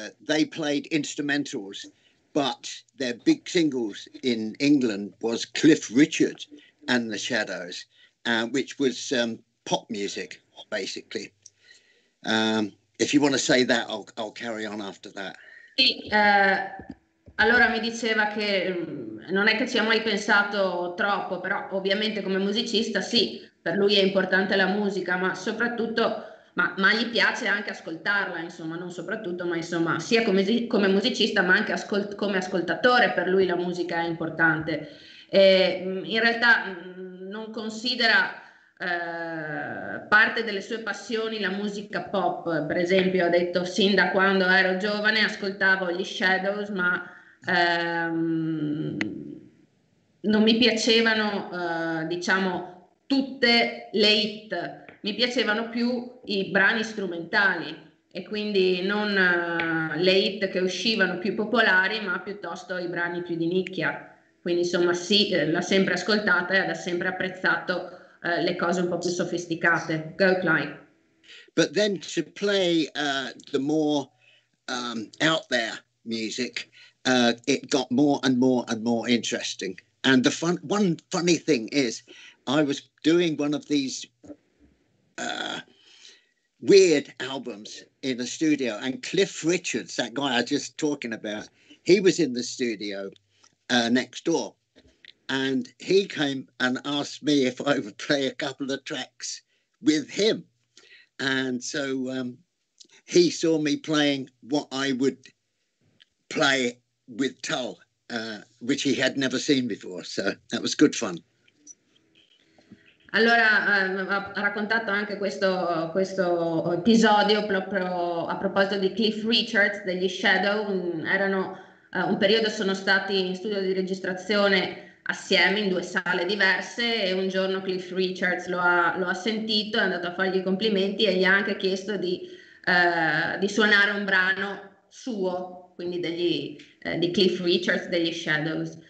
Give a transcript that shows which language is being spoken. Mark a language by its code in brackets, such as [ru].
[en] They played instrumentals, but their big singles in England was Cliff Richard and The Shadows, which was pop music. basically. If you want to say that, I'll carry on after that. [it] Sì, allora mi diceva che non è che ci ha mai pensato troppo, però ovviamente come musicista sì, per lui è importante la musica, ma soprattutto, ma gli piace anche ascoltarla, insomma, non soprattutto, ma insomma, sia come musicista, ma anche come ascoltatore, per lui la musica è importante. E, in realtà non considera parte delle sue passioni la musica pop, per esempio ha detto sin da quando ero giovane ascoltavo gli Shadows, ma non mi piacevano diciamo tutte le hit, mi piacevano più i brani strumentali e quindi non le hit che uscivano più popolari, ma piuttosto i brani più di nicchia, quindi insomma sì, l'ha sempre ascoltata e ha sempre apprezzato le cose un po' più sofisticate. [en] Go Klein. But then to play the more out there music, it got more and more and more interesting. And the one funny thing is, I was doing one of these weird albums in a studio, and Cliff Richards, that guy I was just talking about, he was in the studio next door. And he came and asked me if I would play a couple of tracks with him. And so he saw me playing what I would play with Tull, which he had never seen before. So that was good fun. [it] Allora, ha raccontato anche questo episodio proprio a proposito di Cliff Richards, degli Shadow. Erano un periodo sono stati in studio di registrazione assieme in due sale diverse e un giorno Cliff Richards lo ha sentito, è andato a fargli i complimenti e gli ha anche chiesto di suonare un brano suo, quindi di Cliff Richards, degli Shadows.